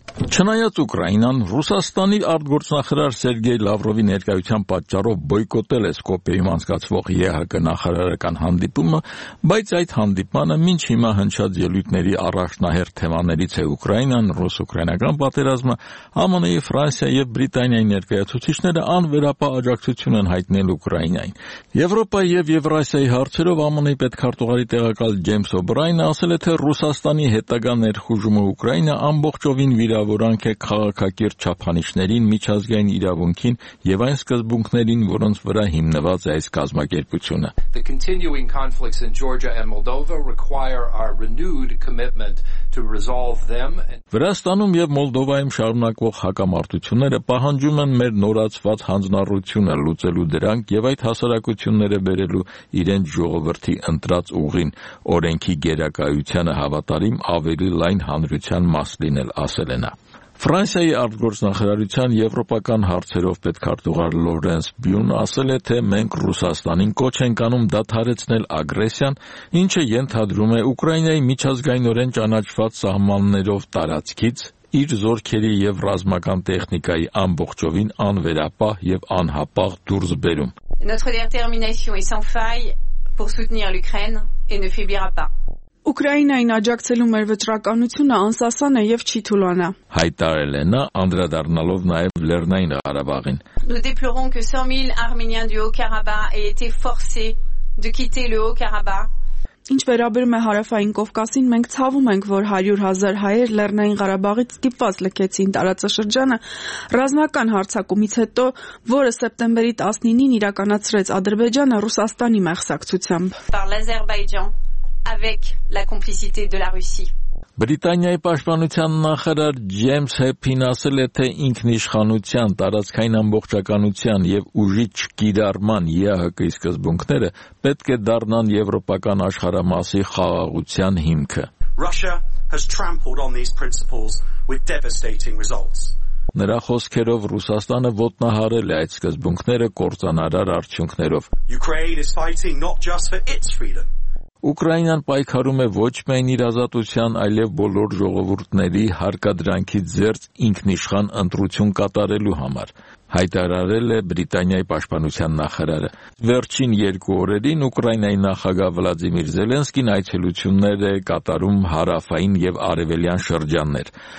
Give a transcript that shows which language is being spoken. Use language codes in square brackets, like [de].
[hy] Չնայած Ուկրաինան Ռուսաստանի արտգործնախարար Սերգեյ Լավրովի ներկայության պատճառով բոյկոտել է Սկոպիեում անցկացվող ԵՀԿ նախարարական հանդիպումը, բայց այդ հանդիպանը մինչ հիմա հնչած ելույթների առաջնահերթ թեմաներից է Ուկրաինան, ռուս-ուկրաինական պատերազմը, ԱՄՆ-ի, Ֆրանսիա և Բրիտանիայի ներկայացուցիչները անվերապահ աջակցություն են հայտնել Ուկրաինային։ Եվրոպայի և Եվրասիայի հարցերով ԱՄՆ-ի պետքարտուղարի նախարարի տեղակալ Ջեյմս Օ'Բրայնը ասել է, թե Ռուսաստանի հետագա ներխուժումը Ուկրաինա ամբողջովին վիրավորանք է քաղաքակիրթ չափանիշներին, միջազգային իրավունքին և այն սկզբունքներին, որոնց վրա հիմնված է այս կազմակերպությունը. [en] The continuing conflicts in Georgia and Moldova require our renewed commitment to resolve them. [hy] Վրաստանում եւ Մոլդովայում շարունակվող հակամարտությունները պահանջում են մեր նորացված հանձնառությունը լուծելու դրանք եւ այդ հասարակությունները բերելու իրենց ժողովրդի ընտրած ուղին, օրենքի գերակայությանը հավատարիմ ավելի լայն հանրության մաս լինել, ասել է նա։ Ֆրանսիայի արտգործնախարարության եվրոպական հարցերով պետքարտուղար Լորենս Բյուն ասել է, թե մենք Ռուսաստանին կոչ ենք անում դադարեցնել ագրեսիան, ինչը ենթադրում է Ուկրաինայի միջազգայինորեն ճանաչված սահմաններով տարածքից իր զորքերի և ռազմական տեխնիկայի ամբողջովին անվերապահ և անհապաղ դուրս բերում։ Ուկրաինային աջակցելու մեր վճռականությունը անսասան է եւ չի թուլանա, հայտարել է նա, անդրադառնալով նաեւ Լեռնային Ղարաբաղին։ [fr] Nous déplorons que 100,000 Arméniens du Haut-Karabakh aient été forcés de quitter le Haut-Karabakh. [hy] Ինչ վերաբերում է Հարավային Կովկասին, մենք ցավում ենք, որ 100,000 հայեր Լեռնային Ղարաբաղից ստիպված լքեցին տարածաշրջանը ռազմական հարձակումից հետո, որը սեպտեմբերի 19-ին իրականացրեց Ադրբեջանը Ռուսաստանի մեղսակցությամբ։ [fr] Avec la complicité de la Russie. [hy] Բրիտանիայի պաշտպանության նախարար Ջեյմս Հեփին ասել է, թե ինքնիշխանության, տարածքային ամբողջականության և ուժի չկիրառման ԵԱՀԿ-ի սկզբունքները պետք է դառնան եվրոպական աշխարհամասի խաղաղության հիմքը. [en] Russia has trampled on these principles with devastating results. [hy] Նրա խոսքերով Ռուսաստանը ոտնահարել է այդ սկզբունքները կործանարար արդյունքներով. [en] Ukraine is fighting not just for its freedom. [hy] Ուկրաինան պայքարում է ոչ միայն իր ազատության, այլև բոլոր ժողովուրդների հարկադրանքի ձեռք ինքնիշխան ընտրություն կատարելու համար, հայտարարել է Բրիտանիայի պաշտպանության նախարարը։ Վերջին 2 օրերին Ուկրաինայի նախագահ Վլադիմիր Զելենսկին այցելություններ է կատարում հարավային եւ արևելյան շրջաններ։